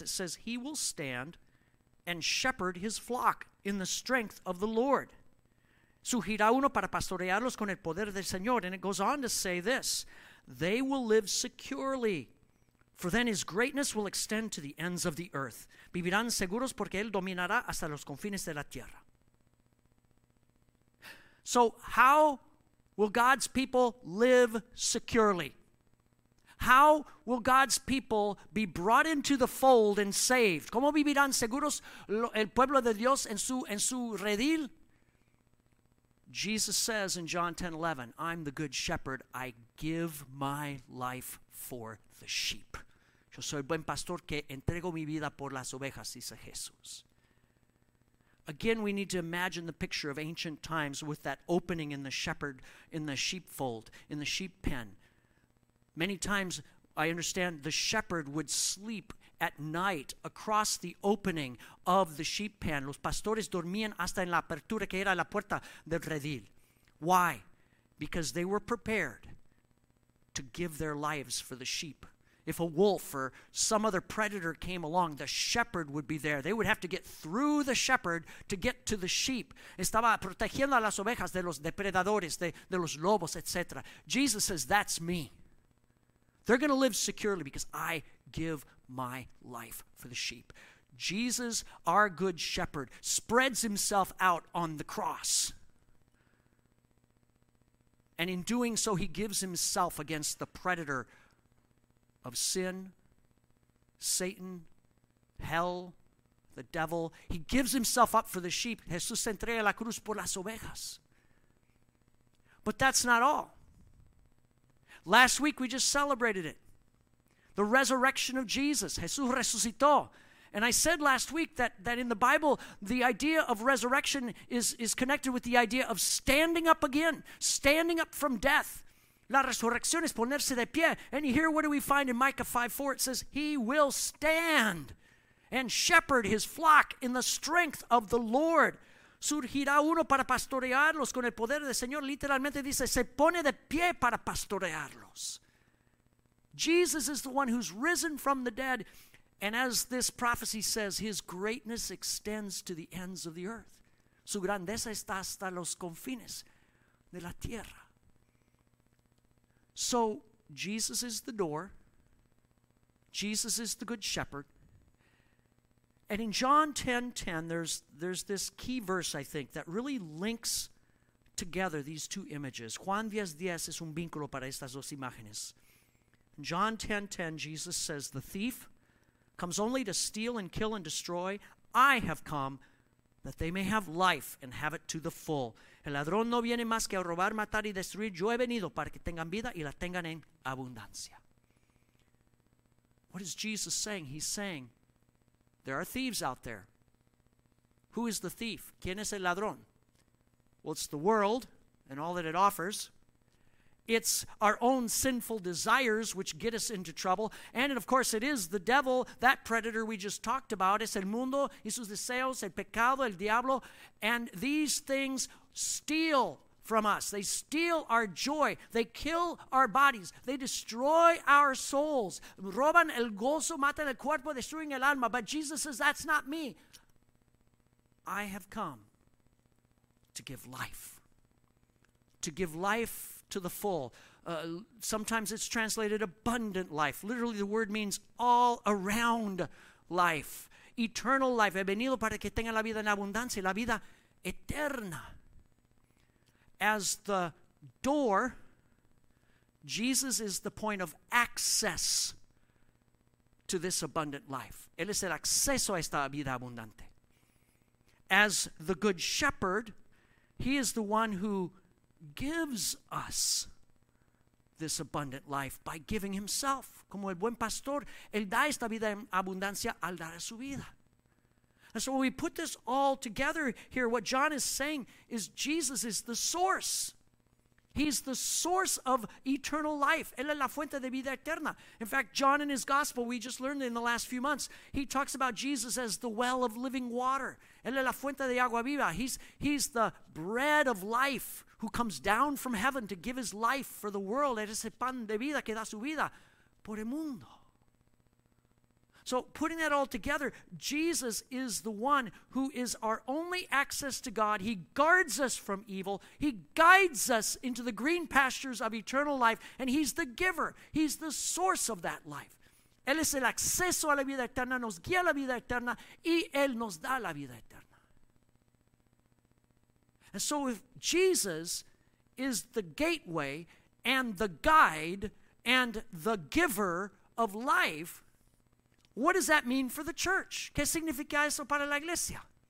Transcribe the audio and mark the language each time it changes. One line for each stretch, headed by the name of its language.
English: It says, he will stand and shepherd his flock in the strength of the Lord.
Spanish: Surgirá uno para pastorearlos con el poder del Señor.
English: And it goes on to say this. They will live securely, for then his greatness will extend to the ends of the earth.
Spanish: Vivirán seguros porque él dominará hasta los confines de la tierra.
English: So how will God's people live securely? How will God's people be brought into the fold and saved?
Spanish: ¿Cómo vivirán seguros el pueblo de Dios en su redil?
English: Jesus says in John 10:11, I'm the good shepherd. I give my life for the sheep.
Spanish: Yo soy el buen pastor que entrego mi vida por las ovejas, dice Jesús.
English: Again, we need to imagine the picture of ancient times with that opening in the shepherd, in the sheepfold, in the sheep pen. Many times, I understand, the shepherd would sleep at night across the opening of the sheep pen.
Spanish: Los pastores dormían hasta en la apertura que era la puerta del redil.
English: Why? Because they were prepared to give their lives for the sheep. If a wolf or some other predator came along, the shepherd would be there. They would have to get through the shepherd to get to the sheep.
Spanish: Estaba protegiendo a las ovejas de los depredadores, de los lobos, etc.
English: Jesus says, that's me. They're going to live securely because I give my life for the sheep. Jesus, our good shepherd, spreads himself out on the cross. And in doing so, he gives himself against the predator of sin, Satan, hell, the devil. He gives himself up for the sheep.
Spanish: Jesús se entrega a la cruz por las ovejas.
English: But that's not all. Last week we just celebrated it. The resurrection of Jesus.
Spanish: Jesús resucitó.
English: And I said last week that in the Bible, the idea of resurrection is connected with the idea of standing up again, standing up from death.
Spanish: La resurrección es ponerse de pie.
English: And here, what do we find in Micah 5:4? It says, he will stand and shepherd his flock in the strength of the Lord.
Spanish: Surgirá uno para pastorearlos con el poder del Señor. Literalmente dice, se pone de pie para pastorearlos.
English: Jesus is the one who's risen from the dead. And as this prophecy says, his greatness extends to the ends of the earth.
Spanish: Su grandeza está hasta los confines de la tierra.
English: So, Jesus is the door. Jesus is the good shepherd. And in John 10:10, there's this key verse, I think, that really links together these two images.
Spanish: Juan 10:10 es un vínculo para estas dos imágenes.
English: In John 10:10, Jesus says, the thief comes only to steal and kill and destroy. I have come that they may have life and have it to the full.
Spanish: El ladrón no viene más que a robar, matar y destruir. Yo he venido para que tengan vida y la tengan en abundancia.
English: What is Jesus saying? He's saying, there are thieves out there. Who is the thief?
Spanish: ¿Quién es el ladrón?
English: Well, it's the world and all that it offers. It's our own sinful desires which get us into trouble. And of course, it is the devil, that predator we just talked about.
Spanish: Es el mundo y sus deseos, el pecado, el diablo.
English: And these things steal from us. They steal our joy. They kill our bodies. They destroy our souls.
Spanish: Roban el gozo, matan el cuerpo, destruyen el alma.
English: But Jesus says, that's not me. I have come to give life. To give life to the full. Sometimes it's translated abundant life. Literally, the word means all around life. Eternal life.
Spanish: He venido para que tengan la vida en abundancia, la vida eterna.
English: As the door, Jesus is the point of access to this abundant life.
Spanish: Él es el acceso a esta vida abundante.
English: As the good shepherd, he is the one who gives us this abundant life by giving himself.
Spanish: Como el buen pastor, él da esta vida en abundancia al dar a su vida.
English: And so when we put this all together here, what John is saying is Jesus is the source. He's the source of eternal life.
Spanish: Él es la fuente de vida eterna.
English: In fact, John in his gospel, we just learned in the last few months, he talks about Jesus as the well of living water.
Spanish: Él es la fuente de agua viva.
English: He's the bread of life who comes down from heaven to give his life for the world.
Spanish: Él es el pan de vida que da su vida por el mundo.
English: So putting that all together, Jesus is the one who is our only access to God. He guards us from evil. He guides us into the green pastures of eternal life. And he's the giver. He's the source of that life.
Spanish: Él es el acceso a la vida eterna, nos guía a la vida eterna, y él nos da la vida eterna.
English: And so if Jesus is the gateway and the guide and the giver of life, what does that mean for the church?
Spanish: ¿Qué significa eso para la iglesia?